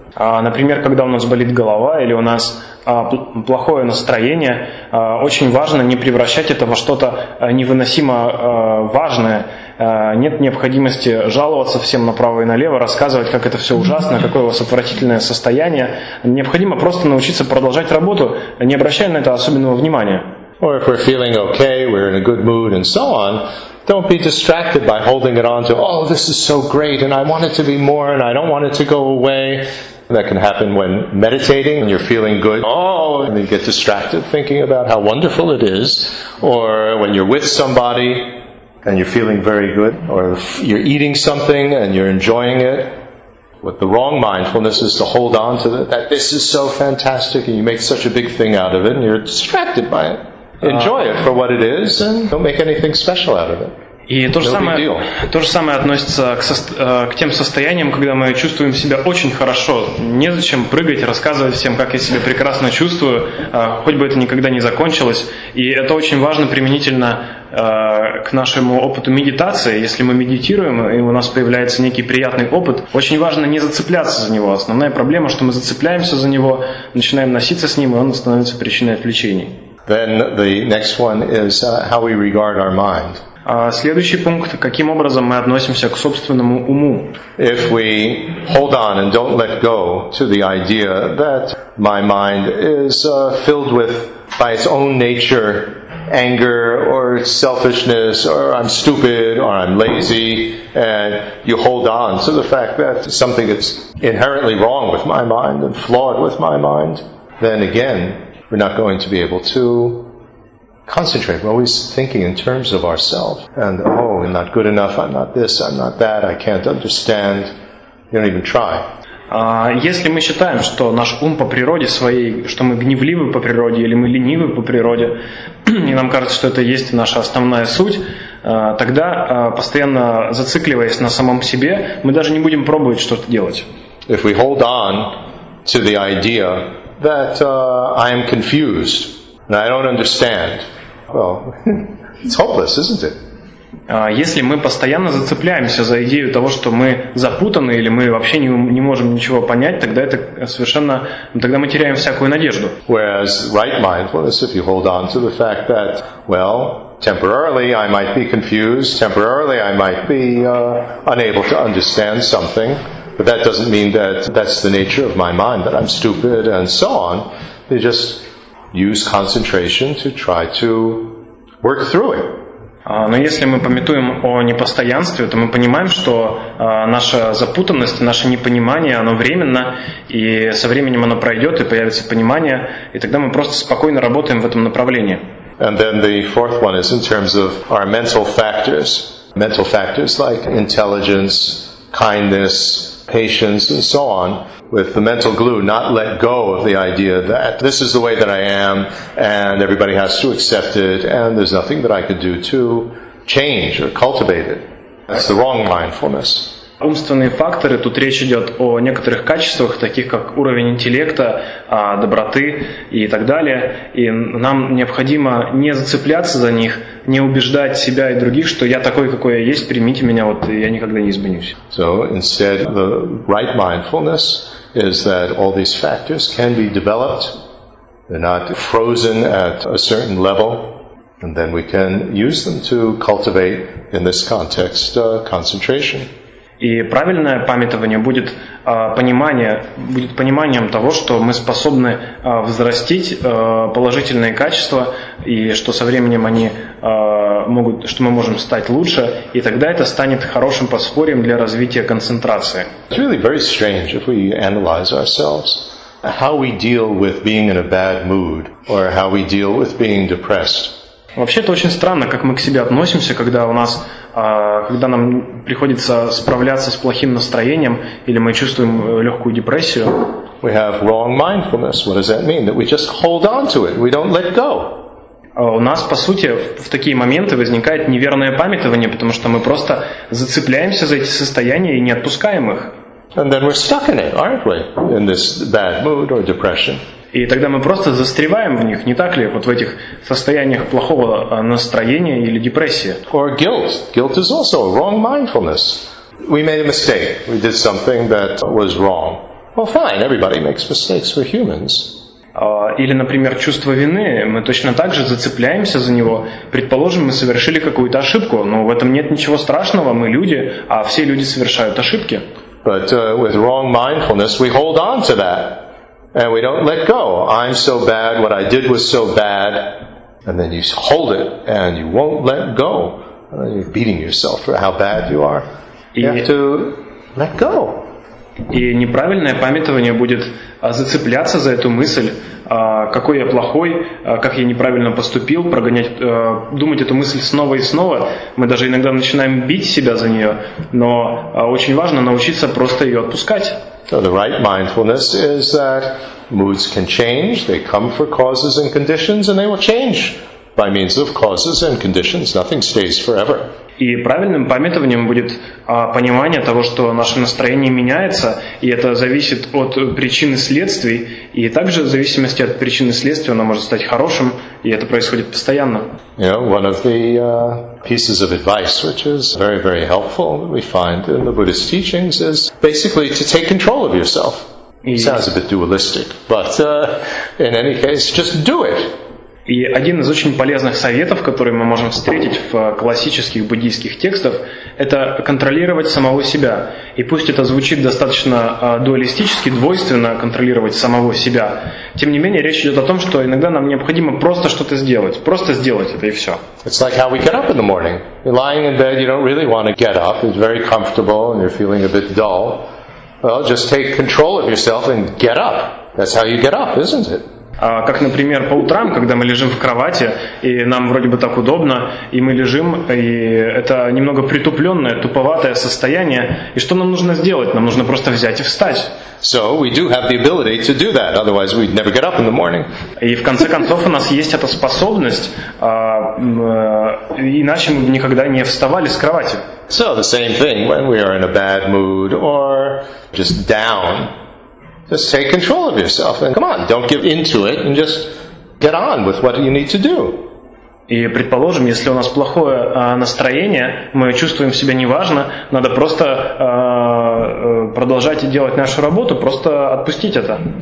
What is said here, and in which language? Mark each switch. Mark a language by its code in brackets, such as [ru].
[ru] Например, когда у нас болит голова или у нас плохое настроение, очень важно не превращать это во что-то невыносимо важное. Нет необходимости жаловаться всем направо и налево, рассказывать, как это все ужасно, какое у вас отвратительное состояние. Необходимо просто научиться продолжать работу, не обращая на это особенного внимания. [en] Or if we're feeling okay, we're in a good mood and so on, don't be distracted by holding it on to, oh, this is so great and I want it to be more and I don't want it to go away. That can happen when meditating and you're feeling good. Oh, and you get distracted thinking about how wonderful it is. Or when you're with somebody and you're feeling very good. Or if you're eating something and you're enjoying it. With the wrong mindfulness is to hold on to that this is so fantastic and you make such a big thing out of it and you're distracted by it. Enjoy it for what it is and don't make anything special out of it. [ru] И то же самое относится к тем состояниям, когда мы чувствуем себя очень хорошо. Незачем прыгать, рассказывать всем, как я себя прекрасно чувствую, хоть бы это никогда не закончилось. И это очень важно применительно к нашему опыту медитации. Если мы медитируем, и у нас появляется некий приятный опыт, очень важно не зацепляться за него. Основная проблема, что мы зацепляемся за него, начинаем носиться с ним, и он становится причиной отвлечений. [en] Then the next one is how we regard our mind. [ru] Следующий пункт, каким образом мы относимся к собственному уму. [en] If we hold on and don't let go to the idea that my mind is filled with, by its own nature, anger or selfishness or I'm stupid or I'm lazy, and you hold on to the fact that something is inherently wrong with my mind and flawed with my mind, then again, we're not going to be able to concentrate. We're always thinking in terms of ourselves. And, oh, I'm not good enough, I'm not this, I'm not that, I can't understand. You don't even try. [ru] Если мы считаем, что наш ум по природе своей, что мы гневливы по природе или мы ленивы по природе, и нам кажется, что это есть наша основная суть, тогда, постоянно зацикливаясь на самом себе, мы даже не будем пробовать что-то делать. [en] If we hold on to the idea that I am confused and I don't understand, well, it's hopeless, isn't it? [ru] Если мы постоянно зацепляемся за идею того, что мы запутаны или мы вообще не можем ничего понять, тогда это совершенно, тогда мы теряем всякую надежду. [en] Whereas right mindfulness, if you hold on to the fact that, well, temporarily I might be confused, temporarily I might be unable to understand something, but that doesn't mean that that's the nature of my mind, that I'm stupid and so on. They just use concentration to try to work through it. [ru] Но если мы памятуем о непостоянстве, то мы понимаем, что наша запутанность, наше непонимание, оно временно, и со временем оно пройдет, и появится понимание, и тогда мы просто спокойно работаем в этом направлении. [en] And then the fourth one is in terms of our mental factors. Mental factors like intelligence, kindness, patience, and so on. With the mental glue, not let go of the idea that this is the way that I am, and everybody has to accept it, and there's nothing that I could do to change or cultivate it. That's the wrong mindfulness. [ru] Умственные факторы, тут речь идет о некоторых качествах, таких как уровень интеллекта, доброты и так далее. И нам необходимо не зацепляться за них, не убеждать себя и других, что я такой, какой я есть, примите меня, вот я никогда не изменюсь. [en] So instead, the right mindfulness is that all these factors can be developed, they're not frozen at a certain level, and then we can use them to cultivate in this context concentration. [ru] И правильное памятование будет понимание, будет пониманием того, что мы способны взрастить положительные качества, и что со временем они могут, что мы можем стать лучше, и тогда это станет хорошим подспорьем для развития концентрации. [en] It's really very strange if we analyze ourselves, how we deal with being in a bad mood, or how we deal with being depressed. [ru] Вообще-то очень странно, как мы к себе относимся, когда у нас, когда нам приходится справляться с плохим настроением или мы чувствуем легкую депрессию. [en] We have wrong mindfulness. What does that mean? That we just hold on to it. We don't let go. [ru] У нас, по сути, в такие моменты возникает неверное памятование, потому что мы просто зацепляемся за эти состояния и не отпускаем их. [en] And then we're stuck in it, aren't we? In this bad mood or depression. [ru] И тогда мы просто застреваем в них, не так ли? Вот в этих состояниях плохого настроения или депрессии. [en] Or guilt. Guilt is also wrong mindfulness. We made a mistake. We did something that was wrong. Well, fine, everybody makes mistakes. We're humans. [ru] Или, например, чувство вины. Мы точно так же зацепляемся за него. Предположим, мы совершили какую-то ошибку. Но в этом нет ничего страшного. Мы люди, а все люди совершают ошибки. [en] But with wrong mindfulness, we hold on to that. And we don't let go. I'm so bad, what I did was so bad. And then you hold it, and you won't let go. You're beating yourself for how bad you are. You have to let go. [ru] И неправильное памятование будет зацепляться за эту мысль, какой я плохой, как я неправильно поступил, прогонять, думать эту мысль снова и снова. Мы даже иногда начинаем бить себя за нее, но очень важно научиться просто ее отпускать. [en] So the right mindfulness is that moods can change, they come for causes and conditions, and they will change by means of causes and conditions. Nothing stays forever. [ru] И правильным памятованием будет понимание того, что наше настроение меняется, и это зависит от причин и следствий, и также в зависимости от причин и следствий оно может стать хорошим, и это происходит постоянно. [en] You know, one of the pieces of advice, which is very, very helpful, that we find in the Buddhist teachings, is basically to take control of yourself. Yes. Sounds a bit dualistic, but in any case, just do it. [ru] И один из очень полезных советов, который мы можем встретить в классических буддийских текстах, это контролировать самого себя. И пусть это звучит достаточно дуалистически, двойственно, контролировать самого себя, тем не менее, речь идет о том, что иногда нам необходимо просто что-то сделать. Просто сделать это, и все. [en] It's like how we get up in the morning. You're lying in bed, you don't really want to get up. It's very comfortable, and you're feeling a bit dull. Well, just take control of yourself and get up. That's how you get up, isn't it? [ru] Как, например, по утрам, когда мы лежим в кровати, и нам вроде бы так удобно, и мы лежим, и это немного притупленное, туповатое состояние. И что нам нужно сделать? Нам нужно просто взять и встать. [en] So we do have the ability to do that, otherwise we'd never get up in the morning. [ru] И в конце концов у нас есть эта способность, иначе мы бы никогда не вставали с кровати. [en] So the same thing when we are in a bad mood or just down. Just take control of yourself and come on, don't give into it and just get on with what you need to do. [ru] И предположим, если у нас плохое настроение, мы чувствуем себя неважно, надо просто продолжать делать нашу работу, просто отпустить это.